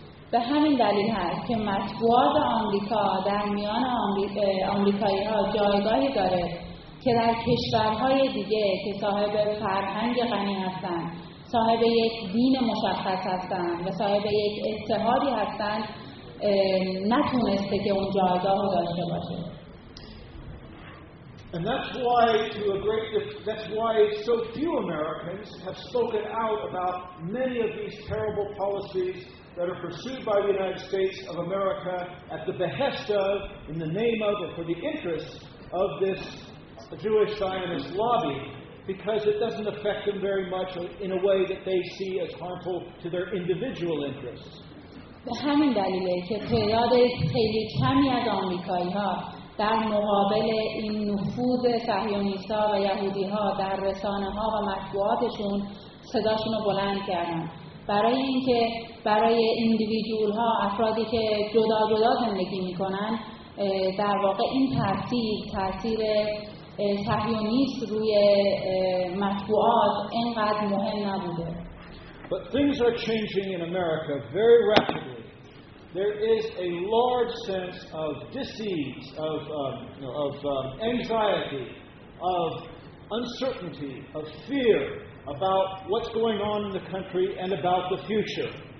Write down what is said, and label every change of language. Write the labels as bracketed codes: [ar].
[fa] به همین دلیل هست که مطبوعات آمریکا در میان آمریکایی‌ها جایگاهی داره که در کشورهای دیگه که صاحب فرهنگ غنی هستن، صاحب یک دین مشخص هستن و صاحب یک اتحادی هستن، نتونسته که اون جایگاهو داشته باشه. [en] And that's why, to a great that's why so few Americans have spoken out about many of these terrible policies that are pursued by the United States of America at the behest of, in the name of, or for the interests of this Jewish Zionist lobby, because it doesn't affect them very much in a way that they see as harmful to their individual interests. [fa] به همین دلیله که تعداد خیلی کمی از آمریکایی‌ها در مقابل این نفوذ صهیونیست‌ها و یهودی‌ها در رسانه‌ها و مطبوعاتشون صداشون رو بلند کردن. برای اینکه برای ایندیویدوال‌ها، افرادی که جدا جدا زندگی می‌کنن، در واقع این تاثیر صهیونیست روی مطبوعات اینقدر مهم نبوده. [en] But things are changing in America very rapidly. There is a large sense of dis-ease, of anxiety, of uncertainty, of fear about what's going on in the country and about the future.